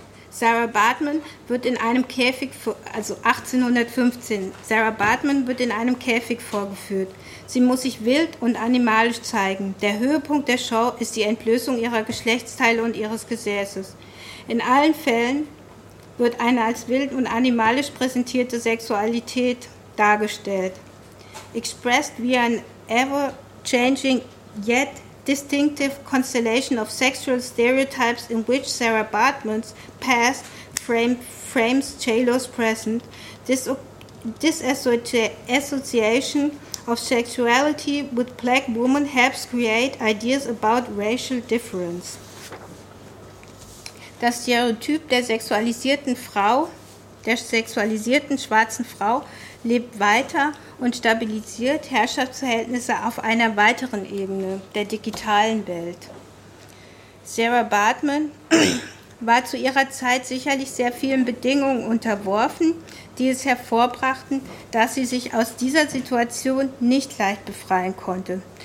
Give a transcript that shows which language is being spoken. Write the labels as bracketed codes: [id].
[de] Sarah Bartman wird in einem Käfig, also 1815, Sarah Bartman wird in einem Käfig vorgeführt. Sie muss sich wild und animalisch zeigen. Der Höhepunkt der Show ist die Entblößung ihrer Geschlechtsteile und ihres Gesäßes. In allen Fällen wird eine als wild und animalisch präsentierte Sexualität dargestellt. [en] Expressed via an ever-changing yet distinctive constellation of sexual stereotypes in which Sarah Bartman's past frames J-Lo's present, this association of sexuality with black women helps create ideas about racial difference. [de] Das Stereotyp der sexualisierten schwarzen Frau lebt weiter und stabilisiert Herrschaftsverhältnisse auf einer weiteren Ebene, der digitalen Welt. Sarah Bartman war zu ihrer Zeit sicherlich sehr vielen Bedingungen unterworfen, die es hervorbrachten, dass sie sich aus dieser Situation nicht leicht befreien konnte.